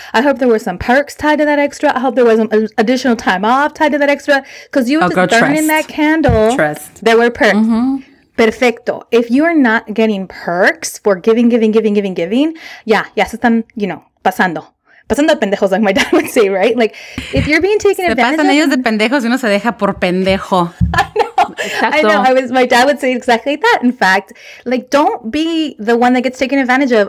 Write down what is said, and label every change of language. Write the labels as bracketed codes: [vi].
[en] I hope there were some perks tied to that extra. I hope there was some additional time off tied to that extra. Because you were just burning that candle. Trust. There were perks. Mm-hmm. Perfecto. If you are not getting perks for giving, yeah, [es] están, [en] you know, [es] pasando pendejos, [en] like my dad would say, right? Like, if you're being taken advantage of. [es] Se pasan ellos de pendejos y uno se deja por pendejo. [en] I know. My dad would say exactly that. In fact, like, don't be the one that gets taken advantage of.